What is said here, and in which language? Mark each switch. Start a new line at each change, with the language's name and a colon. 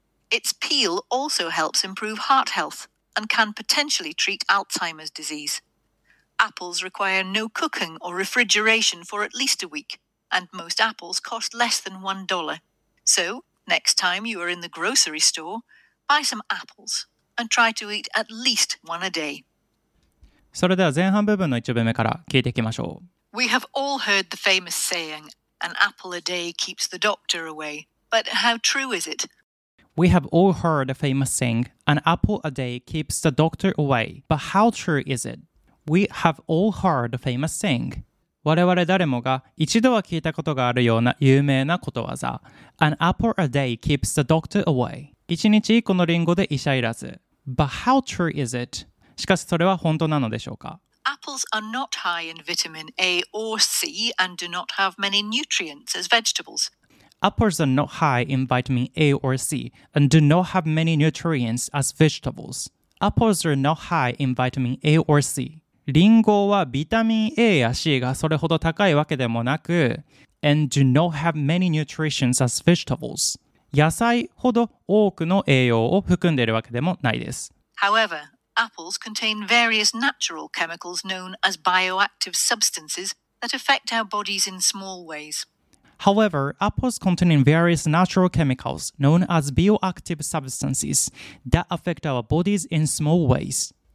English: Its peel also helps improve heart health and can potentially treat Alzheimer's disease. Apples require no cooking or refrigeration for at least a week, and most apples cost less than $1. So, next time you are in the grocery store, buy some apples and try to eat at least one a day.
Japanese: それでは前半部分の一部目から聞いていきましょう。
English: We have all heard the famous saying, an apple a day keeps the doctor away. But how true is it? We have all heard the famous saying, an apple a day keeps the doctor away. But how true is it? We have all heard a famous saying.
Japanese: 我々誰もが一度は聞いたことがあるような有名なことわざ。
English: An apple a day keeps the doctor away.
Japanese: 一日一個のリンゴで医者いらず。
English: But how true is it?
Japanese: しかしそれは本当なのでしょうか?
English: Apples are not high in vitamin A or C and do not have many nutrients as vegetables. Apples are not high in vitamin A or C and do not have many nutrients as vegetables. Apples are not high in vitamin A or C.
Japanese: リンゴはビタミン A や C がそれほど高いわけでもなく
English: and do not have many nutrients as vegetables.
Japanese: 野菜ほど多くの栄養を含んでいるわけでもないです。
English: However, apples contain various natural chemicals known as bioactive substances that affect our bodies in small ways. However, apples contain various natural chemicals known as bioactive substances that affect our bodies in small ways.